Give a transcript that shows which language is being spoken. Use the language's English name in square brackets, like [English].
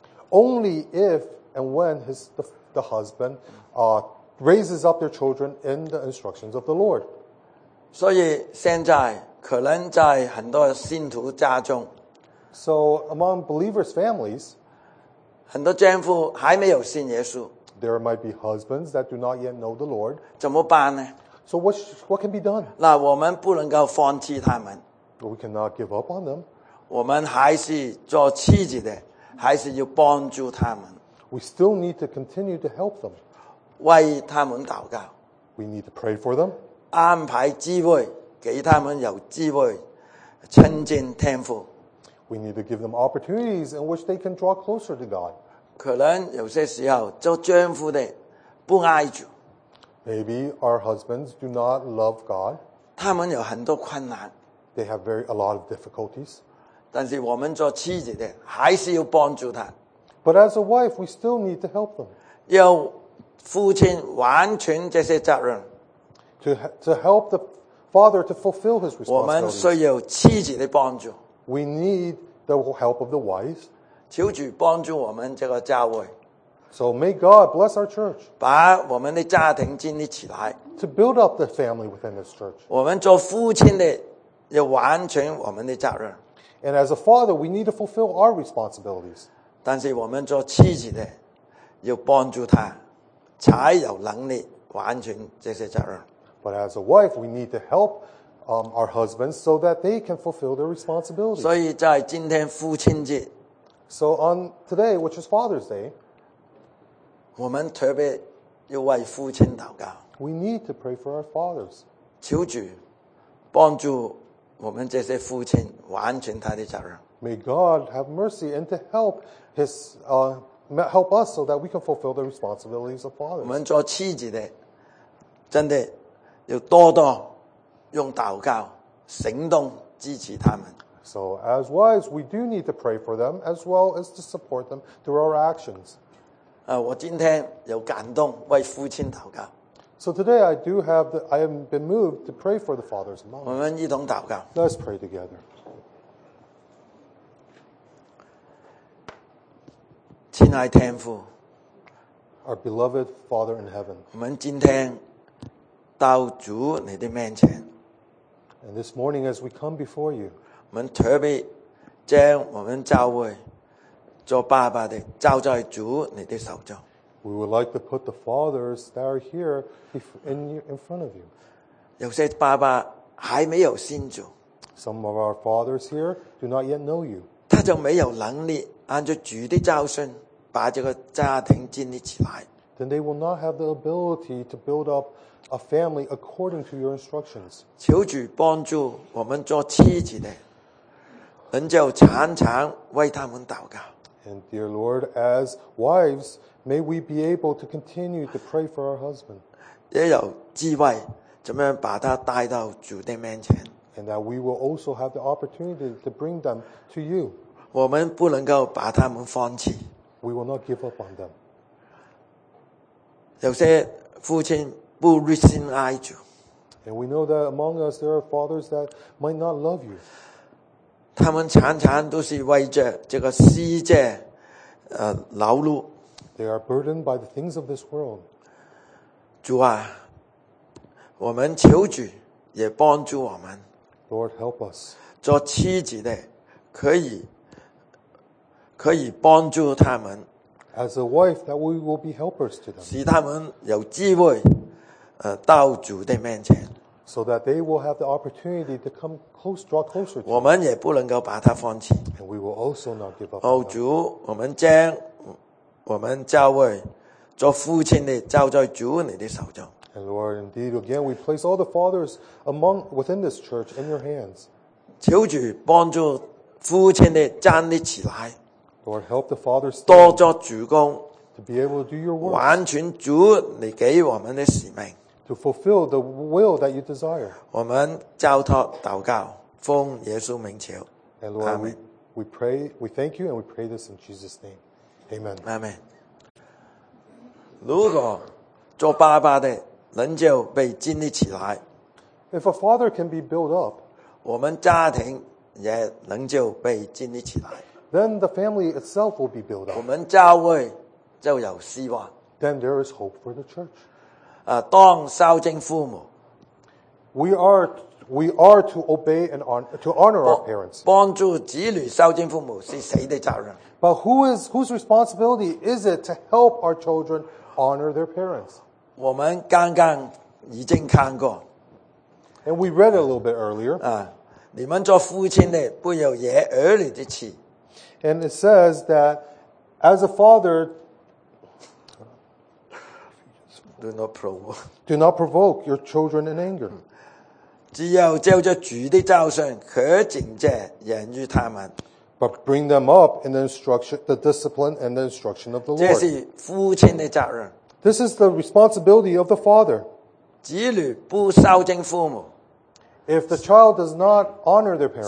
[English] Only if and when the husband, raises up their children in the instructions of the Lord. [Chinese] 所以现在可能在很多信徒家中， [English] So among believers' families, [Chinese] 很多丈夫还没有信耶稣， [English] There might be husbands that do not yet know the Lord. [Chinese] 怎么办呢？ [English] So what can be done? [Chinese] 那我们不能够放弃他们。 [English] But we cannot give up on them. [Chinese] 我们还是做妻子的，还是要帮助他们。 [English] We still need to continue to help them. [Chinese] 为他们祷告， [English] We need to pray for them. [Chinese] 安排机会给他们有机会亲近天父。 [English] We need to give them opportunities in which they can draw closer to God. [Chinese] 可能有些时候做丈夫的不爱主。 [English] Maybe our husbands do not love God. [Chinese] 他们有很多困难。 [English] They have a lot of difficulties. [Chinese] 但是我们做妻子的还是要帮助他。 [English] But as a wife, we still need to help them. [Chinese] 要父亲完全这些责任。 [English] To help the father to fulfill his responsibilities. [Chinese] 我们需要妻子的帮助。 [English] We need the help of the wives. [Chinese] 求主帮助我们这个教会。 [English] So may God bless our church. [Chinese] 把我们的家庭建立起来。 [English] To build up the family within this church. [Chinese] 我们做父亲的要完成我们的责任。 [English] And as a father, we need to fulfill our responsibilities. [Chinese] 但是我们做妻子的要帮助他才有能力完成这些责任。 [English] But as a wife, we need to help our husbands so that they can fulfill their responsibilities. [Chinese] 所以在今天父亲节。 [English] So on today, which is Father's Day, [Chinese] 我们特别要为父亲祷告。 [English] We need to pray for our fathers. [Chinese] 求主帮助我们这些父亲完成他的责任。 [English] May God have mercy and to help help us so that we can fulfill the responsibilities of fathers. [Chinese] 我们做妻子的真的要多多用祷告行动支持他们。 [English] So as wives, we do need to pray for them as well as to support them through our actions. [Chinese] 我今天有感动为父亲祷告。 [English] So today I have been moved to pray for the fathers and mothers. [Chinese] 我们一同祷告。 [English] Let's pray together. [Chinese] 亲爱天父。 [English] Our beloved Father in heaven. [Chinese] 我们今天到主你的面前。 [English] And this morning as we come before you. [Chinese] 我们特别将我们教会做爸爸的交在主你的手中。 [English] We would like to put the fathers that are here in front of you. [Chinese] 有些爸爸还没有信主。 [English] Some of our fathers here do not yet know you. [Chinese] 他就没有能力按照主的教训把这个家庭建立起来。 [English] Then they will not have the ability to build up a family according to your instructions. [Chinese] 求主帮助我们做妻子的能够常常为他们祷告。 [English] And dear Lord, as wives, may we be able to continue to pray for our husband. [Chinese] 也有机会怎么样把他带到主的面前。 [English] And that we will also have the opportunity to bring them to you. [Chinese] 我们不能够把他们放弃。 [English] We will not give up on them. [Chinese] 有些父亲不热心爱主。 [English] And we know that among us there are fathers that might not love you. [Chinese] 他们常常都是为着这个世界劳碌。 [English] They are burdened by the things of this world. [Chinese] 主啊，我们求主也帮助我们。 [English] Lord, help us. [Chinese] 做妻子的可以帮助他们。 [English] As a wife, that we will be helpers to them. [Chinese] 使他们有机会到主的面前。 [English] So that they will have the opportunity to come close, draw closer to us. [Chinese] 我们也不能够把他放弃。 [English] And we will also not give up. [Chinese] 哦，主，我们将我们教会做父亲的交在主你的手中。 [English] And Lord, indeed, again, we place all the fathers within this church in your hands. [Chinese] 求主帮助父亲的站立起来。 [English] Lord, help the fathers [Chinese] 多做主工。 [English] To be able to do your work. [Chinese] 完全主你给我们的使命。 [English] To fulfill the will that you desire. [Chinese] 我们交托祷告，奉耶稣名求。 [English] And Lord, we thank you and we pray this in Jesus' name. Amen. Amen. [Chinese] 如果做爸爸的能够被建立起来， [English] If a father can be built up, [Chinese] 我们家庭也能够被建立起来， [English] then the family itself will be built up. [Chinese] 我们教会就有希望， [English] then there is hope for the church. [Chinese] 当孝敬父母， [English] We are to obey and honor our parents. [Chinese] 帮助子女孝敬父母是谁的责任？ [English] But whose responsibility is it to help our children honor their parents? [Chinese] 我们刚刚已经看过。 [English] And we read a little bit earlier. [Chinese] 你们做父亲的不要惹儿女的气。 [English] And it says that as a father, do not provoke your children in anger. [Chinese] 只要照着主的教训，可警戒人于他们。 [English] but bring them up in the instruction, the discipline and the instruction of the Lord. [Chinese] 这是父亲的责任。 [English] This is the responsibility of the father. [Chinese] 子女不孝敬父母。 [English] If the child does not honor their parents,